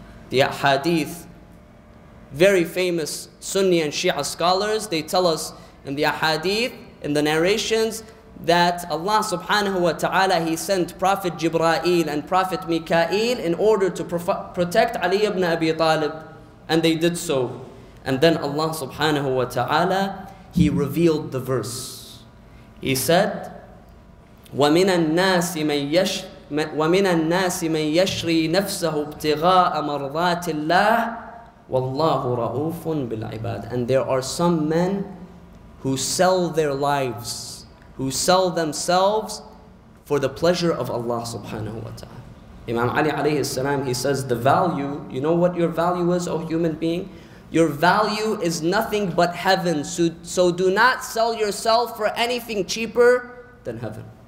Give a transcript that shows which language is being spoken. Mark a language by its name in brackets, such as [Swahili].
[English] The ahadith, very famous Sunni and Shia scholars, they tell us in the ahadith, in the narrations, that Allah subhanahu wa ta'ala, he sent Prophet Jibra'il and Prophet Mika'il in order to protect Ali ibn Abi Talib, and they did so. And then Allah subhanahu wa ta'ala, he revealed the verse. He said, [Arabic] وَمِنَ النَّاسِ مَنْ يَشْرِي نَفْسَهُ ابْتِغَاءَ مَرْضَاتِ اللَّهِ وَاللَّهُ رَؤُوفٌ بِالْعِبَادِ. [English] And there are some men who sell their lives, who sell themselves for the pleasure of Allah subhanahu wa ta'ala. Imam Ali alayhi salam, he says, the value, you know what your value is, O human being? Your value is nothing but heaven. So do not sell yourself for anything cheaper than heaven.